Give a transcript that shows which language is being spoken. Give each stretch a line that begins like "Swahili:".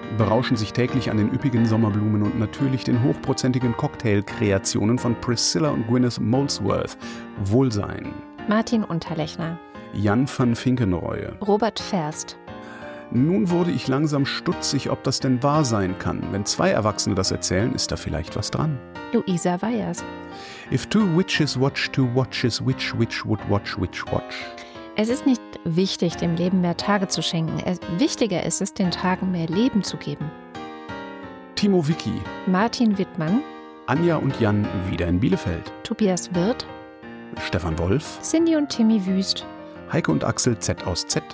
German: berauschen sich täglich an den üppigen Sommerblumen und natürlich den hochprozentigen Cocktailkreationen von Priscilla und Gwyneth Molesworth. Wohlsein. Martin Unterlechner. Jan van Finkenreue. Robert Ferst. Nun wurde ich langsam stutzig, ob das denn wahr sein kann. Wenn zwei Erwachsene das erzählen, ist da vielleicht was dran. Luisa Weyers.
English: If two witches watch two watches, which witch would watch which watch?
German: Es ist nicht wichtig, dem Leben mehr Tage zu schenken. Wichtiger ist es, den Tagen mehr Leben zu geben. Timo Wicki. Martin Wittmann. Anja und Jan wieder in Bielefeld. Tobias Wirth. Stefan Wolf. Cindy und Timmy Wüst. Heike und Axel Z aus Z.